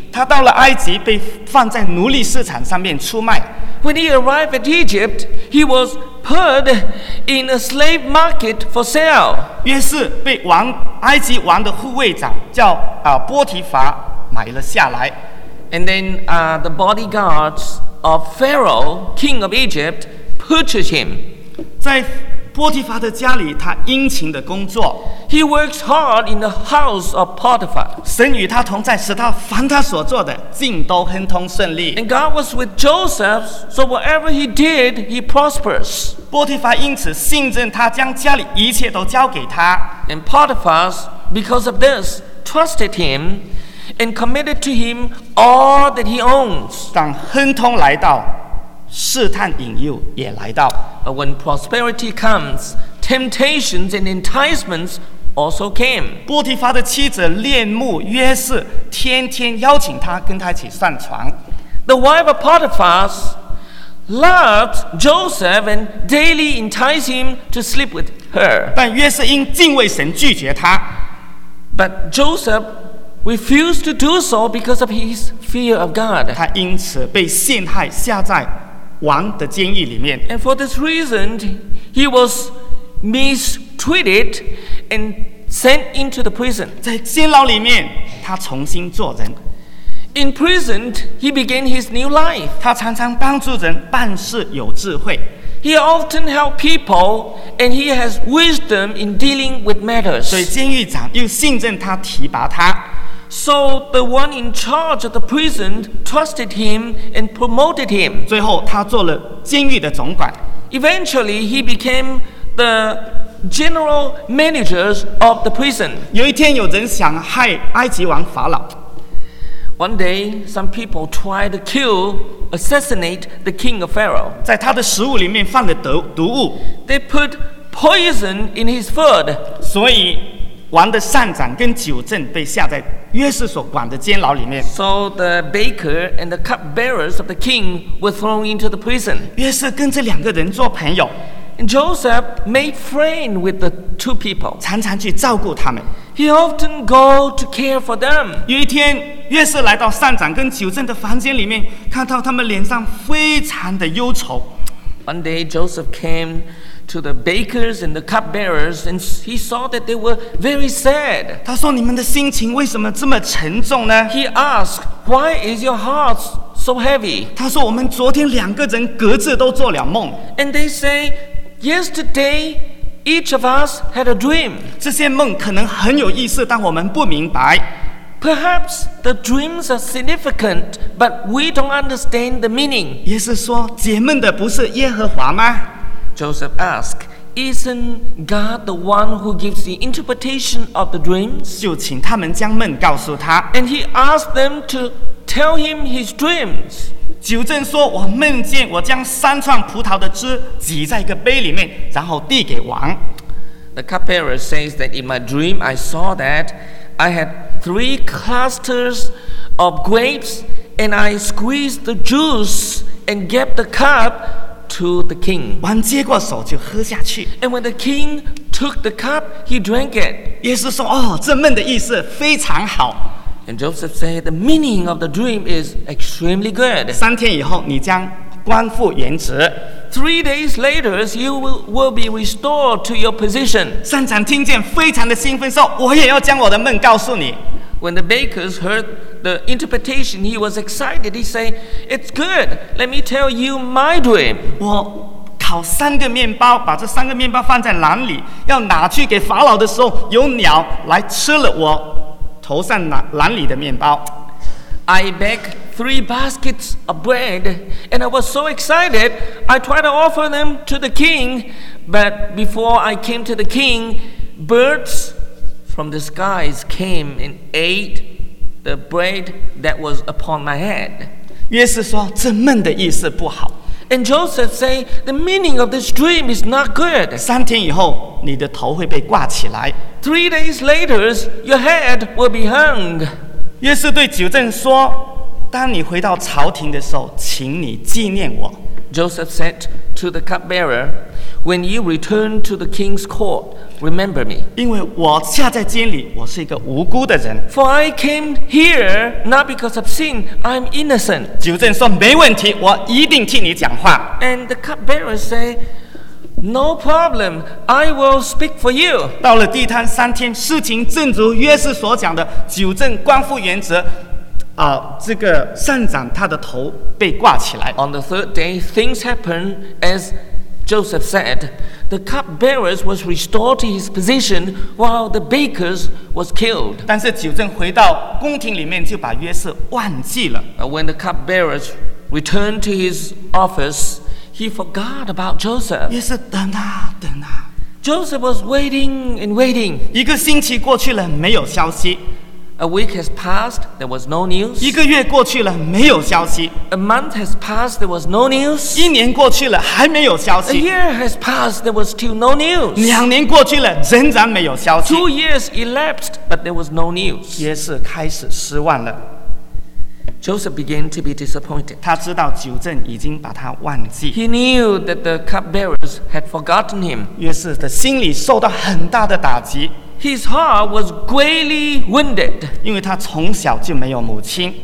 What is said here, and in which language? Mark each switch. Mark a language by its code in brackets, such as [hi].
[zh] 他到了埃及，被放在奴隶市场上面出卖。 [en] When he arrived at Egypt, he was put in a slave market for sale. [zh] 约瑟被王埃及王的护卫长叫波提法买了下来。 [en] And then the bodyguards of Pharaoh, king of Egypt, purchased him. [zh] 在波提法的家里，他殷勤的工作。 [en] He works hard in the house of Potiphar. [zh] 神与他同在，使他凡他所做的尽都亨通顺利。 [en] And God was with Joseph, so whatever he did, he prospers. [zh] 波提法因此信任他，将家里一切都交给他。 [en] And Potiphar, because of this, trusted him and committed to him all that he owns. [zh] 当亨通来到，试探引诱也来到。 [en] But when prosperity comes, temptations and enticements also came. [zh] 波提法的妻子恋慕约瑟，天天邀请他跟他一起上床。 [en] The wife of Potiphar loved Joseph and daily enticed him to sleep with her. [zh] 但约瑟因敬畏神拒绝他。 [en] But Joseph refused to do so because of his fear of God. [zh] 他因此被陷害，下在王的监狱里面。 [en] And for this reason, he was mistreated and sent into the prison. [zh] 在监牢里面，他重新做人。 [en] In prison, he began his new life. [zh] 他常常帮助人，办事有智慧。 [en] He often helped people, and he has wisdom in dealing with matters. [zh] 所以监狱长又信任他，提拔他。 [en] So the one in charge of the prison trusted him and promoted him. [zh] 最后，他做了监狱的总管。 [en] Eventually, he became the general managers of the prison. [zh] 有一天，有人想害埃及王法老。 [en] One day, some people tried to kill, assassinate the king of Pharaoh. [zh] 在他的食物里面放了毒物。 [en] They put poison in his food. [zh] 所以王的膳长跟酒镇被下在约瑟所管的监牢里面。 [en] So the baker and the cupbearers of the king were thrown into the prison. [zh] 约瑟跟这两个人做朋友。 [en] And Joseph made friends with the two people. [zh] 常常去照顾他们。 [en] He often go to care for them. [zh] 有一天，约瑟来到膳长跟酒镇的房间里面，看到他们脸上非常的忧愁。 [en] One day, Joseph came to the bakers and the cupbearers, and he saw that they were very sad. [zh] 他说：“你们的心情为什么这么沉重呢？” [en] He asked, "Why is your heart so heavy?" [zh] 他说：“我们昨天两个人各自都做了梦。” [en] And they say, "Yesterday, each of us had a dream." [zh] 这些梦可能很有意思，但我们不明白。 [en] Perhaps the dreams are significant, but we don't understand the meaning. [zh] 也是说，解闷的不是耶和华吗？ [en] Joseph asked, "Isn't God the one who gives the interpretation of the dreams?" [zh] 就请他们将梦告诉他。 [en] And he asked them to tell him his dreams. [zh] 酒镇说：“我梦见我将三串葡萄的汁挤在一个杯里面，然后递给王。” [en] The cupbearer says that in my dream I saw that I had three clusters of grapes, and I squeezed the juice and gave the cup to the king. [zh] 王接过手就喝下去。 [en] And when the king took the cup, he drank it. [zh] 耶稣说：“哦，这梦的意思非常好。” [en] And Joseph said, "The meaning of the dream is extremely good." [zh] 三天以后，你将官复原职。 [en] Three days later, you will be restored to your position. [zh] 膳长听见非常的兴奋，说：“我也要将我的梦告诉你。” [en] When the bakers heard the interpretation, he was excited. He said, "It's good. Let me tell you my dream." [zh] 我烤三个面包，把这三个面包放在篮里，要拿去给法老的时候，有鸟来吃了我头上篮里的面包。 [en] I baked three baskets of bread, and I was so excited. I tried to offer them to the king, but before I came to the king, birds from the skies came and ate the bread that was upon my head. [zh] 约瑟说：“这梦的意思不好。” [en] And Joseph said, "The meaning of this dream is not good." [zh] 三天以后，你的头会被挂起来。 [en] Three days later, your head will be hung. [zh] 约瑟对酒镇说：“当你回到朝廷的时候，请你纪念我。” [en] Joseph said to the cupbearer, "When you return to the king's court, remember me." [zh] 因为我下在监里，我是一个无辜的人。 [en] For I came here not because of sin, I'm innocent. [zh] 酒镇说：“没问题，我一定替你讲话。” [en] And the cupbearer said, "No problem, I will speak for you." [zh] 到了地摊三天，事情正如约瑟所讲的，酒镇官复原职。这个膳长他的头被挂起来。 [en] On the third day, things happened as Joseph said, the cupbearer was restored to his position while the baker was killed. [zh] 但是酒正回到宫廷里面就把约瑟忘记了。 [en] When the cupbearer returned to his office, he forgot about Joseph. [zh] 约瑟等啊等啊。 [en] Joseph was waiting and waiting. [zh] 一个星期过去了，没有消息。 [en] A week has passed, there was no news. [zh] 一个月过去了，没有消息。 [en] A month has passed, there was no news. [zh] 一年过去了，还没有消息。 [en] A year has passed, there was still no news. [zh] 两年过去了，仍然没有消息。 [en] Two years elapsed, but there was no news. [zh] 约瑟开始失望了。 [en] Joseph began to be disappointed. [zh] 他知道酒正已经把他忘记。 [en] He knew that the cupbearers had forgotten him. [zh] 约瑟的心里受到很大的打击。 [en] His heart was greatly wounded. [zh] 因为他从小就没有母亲。